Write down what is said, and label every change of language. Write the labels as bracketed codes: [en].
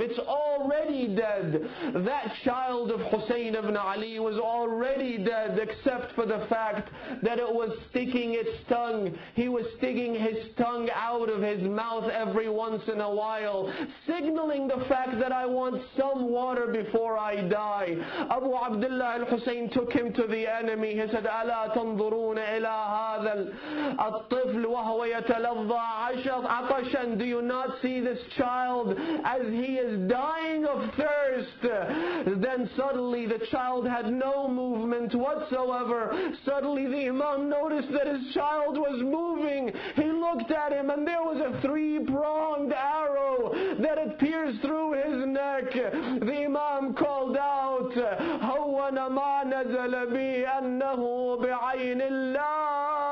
[en] It's already dead. That child of Hussein ibn Ali was already dead, except for the fact that it was sticking its tongue. He was sticking his tongue out of his mouth every once in a while, signaling the fact that I want some water before I die. Abu Abdullah al-Hussein took him to the enemy. He said, [ar] أَلَا تَنظُرُونَ إِلَىٰ هَذَا الْطِفْلُ وَهُوَ يَتَلَظَّى عَطَشًا. [en] Do you not see this child as he is dying of thirst? Then suddenly the child had no movement whatsoever. Suddenly the Imam noticed that his child was moving. He looked at him and there was a three-pronged arrow that had pierced through his neck. The Imam called out, [ar] هَوَّنَ مَا نَزَلَ بِي أَنَّهُ بِعَيْنِ اللَّهِ.